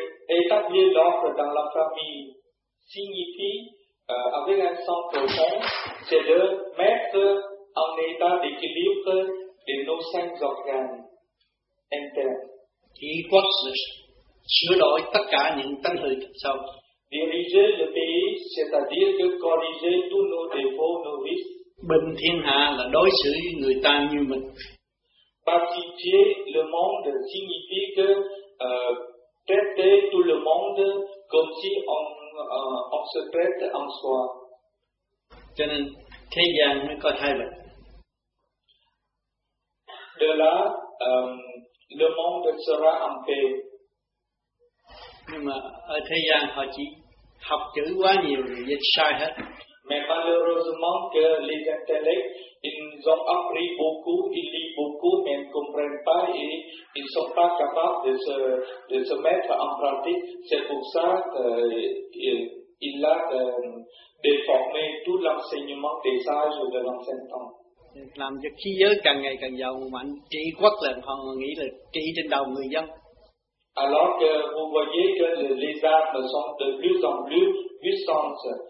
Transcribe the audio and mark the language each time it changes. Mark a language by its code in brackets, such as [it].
[fr] Rétablir l'ordre dans la famille signifie, avec un sens profond, c'est de mettre en état d'équilibre de nos cinq organes internes. [vi] Sửa đổi tất cả những tâm hư tật xấu. [fr] Diriger le pays, c'est-à-dire de corriger tous nos défauts, nos vices. [vi] Bình thiên hạ là đối xử với người ta như mình. [fr] Pacifier le monde signifie que traiter tout le monde comme si on se traite en soi. [vi] Cho nên thế gian mới có thay đổi. [fr] De là le monde sera en paix. [vi] Nhưng mà ở thế gian họ chỉ học chữ quá nhiều rồi dịch sai hết. [fr] Mais malheureusement que les intellects, ils ont appris beaucoup, ils lisent beaucoup, mais ils ne comprennent pas et ils ne sont pas capables de se mettre en pratique. C'est pour ça qu'il a déformé tout l'enseignement des sages de l'ancien temps. [vi] Làm cho khí giới càng ngày càng giàu mạnh, trị quốc là họ nghĩ là trị trên đầu người dân. [fr] Alors que vous voyez que les armes sont de plus en plus puissantes.